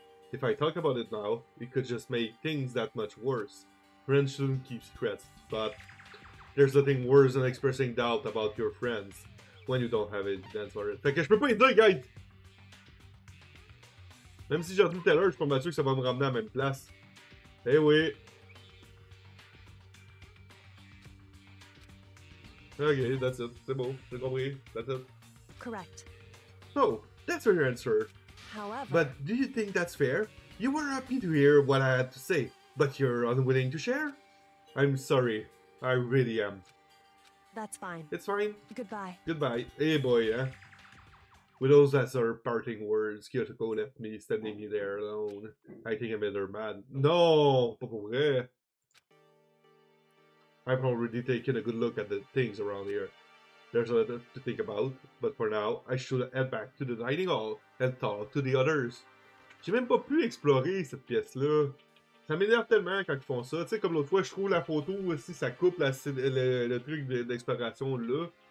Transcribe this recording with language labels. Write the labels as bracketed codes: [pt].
[en] If I talk about it now, it could just make things that much worse. Friends shouldn't keep secrets, but there's nothing worse than expressing doubt about your friends when you don't have evidence for it. [fr] Fait que je peux pas y dire, guys! Même si j'ai dit tout à l'heure, je suis pas sûr que ça va me ramener à la même place. Eh oui! [en] Ok, that's it. [fr] C'est bon. J'ai compris. [en] That's it. Correct. So, that's your answer. However... But do you think that's fair? You were happy to hear what I had to say, but you're unwilling to share? I'm sorry. I really am. That's fine. It's fine. Goodbye. Eh hey boy, eh? With those as our parting words, Kyotoko left me standing there alone. I think I'm better mad. No, [fr] pas pour vrai. [en] I've already taken a good look at the things around here. There's a lot to think about, but for now, I should head back to the dining hall and talk to the others. [fr] J'ai même pas pu explorer cette pièce-là. Ça m'énerve tellement quand ils font ça. Tu sais, comme l'autre fois, je trouve la photo aussi, ça coupe le truc d'exploration là.